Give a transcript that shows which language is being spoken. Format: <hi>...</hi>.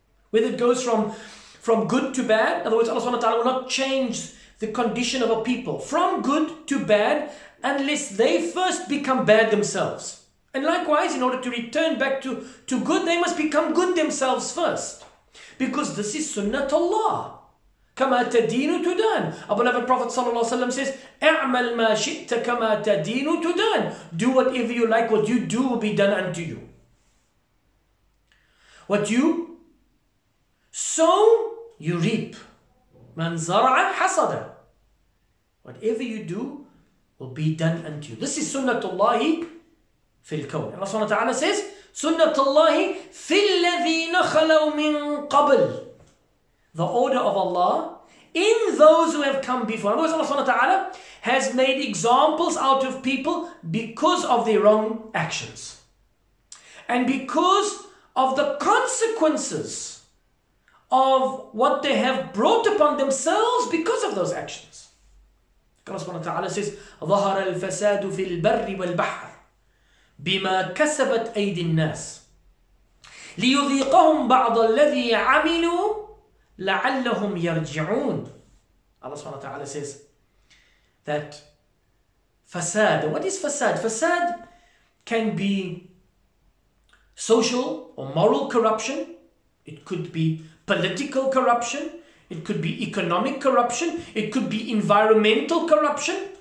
<en>Whether it goes from good to bad, in other words, Allah subhanahu wa ta'ala will not change the condition of a people from good to bad, unless they first become bad themselves. And likewise, in order to return back to good, they must become good themselves first. Because this is sunnatullah.</en> <ar>كَمَا تَدِينُ تُدَانُ.</ar> <en>Our beloved Prophet ﷺ says,</en> <ar>اَعْمَلْ مَا شِئْتَ كَمَا تَدِينُ تُدَانُ.</ar> <en>Do whatever you like, what you do will be done unto you. What you sow, you reap.</en> <ar>مَنْ زَرَعَ حَصَدَ.</ar> <en>Whatever you do, will be done unto you. This is</en> <ar>sunnatullah fi al-kawn.</ar> <en>Allah subhanahu wa ta'ala says,</en> <ar>sunnatullah fi alladhina khalaw min qabl.</ar> <en>The order of Allah in those who have come before. In other words, Allah subhanahu wa ta'ala has made examples out of people because of their wrong actions. And because of the consequences of what they have brought upon themselves because of those actions. Allah subhanahu wa ta'ala says,</en> <ar>ظَهَرَ الْفَسَادُ فِي الْبَرِّ وَالْبَحْرِ بِمَا كَسَبَتْ أَيْدِ النَّاسِ لِيُذِيقَهُمْ بَعْضَ الَّذِي عَمِلُوا لَعَلَّهُمْ يَرْجِعُونَ.</ar> <en>Allah subhanahu wa ta'ala says that fasad, what is fasad? Fasad can be social or moral corruption. It could be political corruption. It could be economic corruption. It could be environmental corruption.</en>